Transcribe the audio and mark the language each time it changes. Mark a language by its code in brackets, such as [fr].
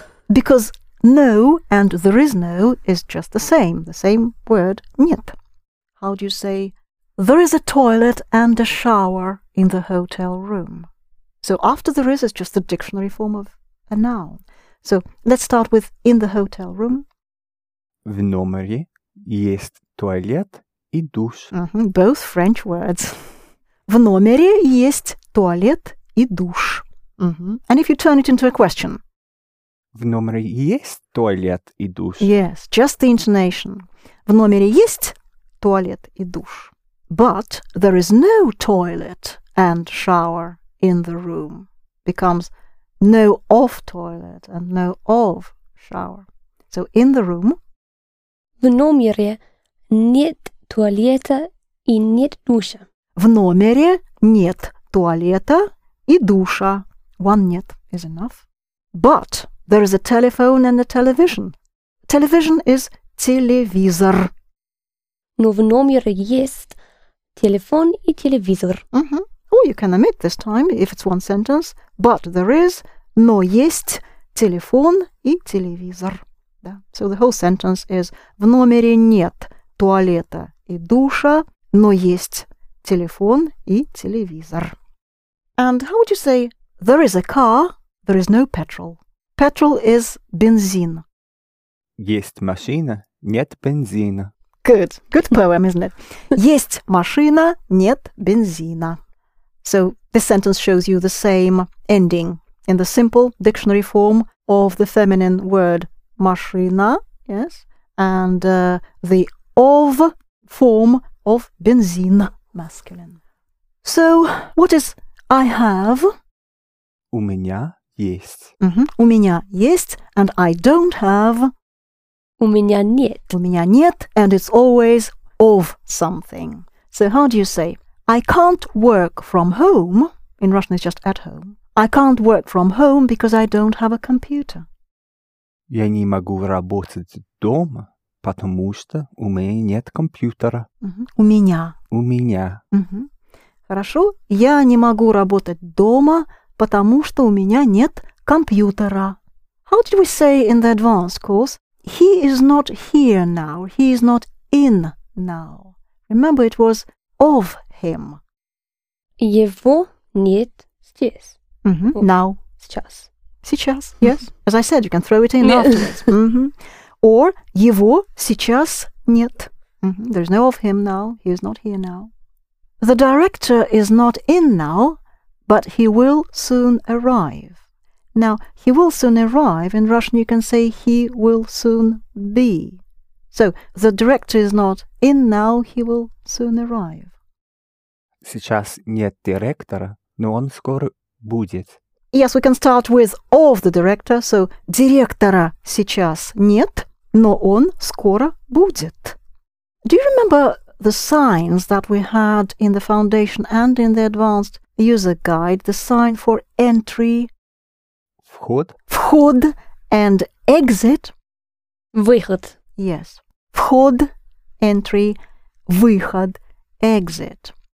[en] Because no and there is no is just the same word, нет. How do you say, there is a toilet and a shower in the hotel room? So after there is just the dictionary form of a noun. So let's start with in the hotel room. [ru] В номере есть туалет и душ. [en] Mm-hmm, both French words. [ru] В номере есть туалет и душ. Mm-hmm. [en] And if you turn it into a question. [ru] В номере есть туалет и душ. [en] Yes, just the intonation. [ru] В номере есть туалет и душ. [en] But there is no toilet and shower in the room. Becomes no of toilet and no of shower. So in the room. [ru] В номере нет туалета и нет душа. В номере нет туалета и душа. [en] One нет is enough. But there is a telephone and a television. Television is телевизор. [ru] Но в номере есть телефон и телевизор. Mm-hmm. [en] Oh, you can omit this time if it's one sentence. But there is, [ru] но есть телефон и телевизор. Да. [en] So the whole sentence is, [ru] в номере нет туалета и душа, но есть телефон и телевизор. [en] And how would you say, there is a car, there is no petrol. Petrol is бензин. [ru] Есть машина, нет бензина. [en] Good. Good poem, isn't it? [ru] Есть машина, нет бензина. [en] So this sentence shows you the same ending in the simple dictionary form of the feminine word машина, yes, and the of form of бензин, masculine. So what is I have? [ru] У меня есть. [en] Mm-hmm. [ru] У меня есть, [en] and I don't have. [ru] У меня нет. У меня нет, [en] and it's always of something. So how do you say, I can't work from home, in Russian it's just at home, I can't work from home because I don't have a computer. [ru] Я не могу работать дома, потому что у меня нет компьютера. У меня. У меня. Хорошо. Я не могу работать дома, потому что у меня нет компьютера. [en] How did we say in the advanced course, he is not here now, he is not in now? Remember, it was of him. [ru] Его нет здесь. [en] Mm-hmm. Now. [ru] Сейчас. Сейчас, yes. [en] As I said, you can throw it in afterwards. [ru] Mm-hmm. Or, его сейчас нет. Mm-hmm. [en] There's no of him now, he is not here now. The director is not in now, but he will soon arrive. Now, he will soon arrive, in Russian you can say he will soon be. So, the director is not in now, he will soon arrive. [ru] Сейчас нет директора, но он скоро будет. [en] Yes, we can start with of the director. [ru] So, директора сейчас нет, но он скоро будет. [en] Do you remember the signs that we had in the foundation and in the advanced user guide, the sign for entry? [ru] Вход. [en] Вход and exit. [ru] Выход. [en] Yes. Вход, entry, выход, exit.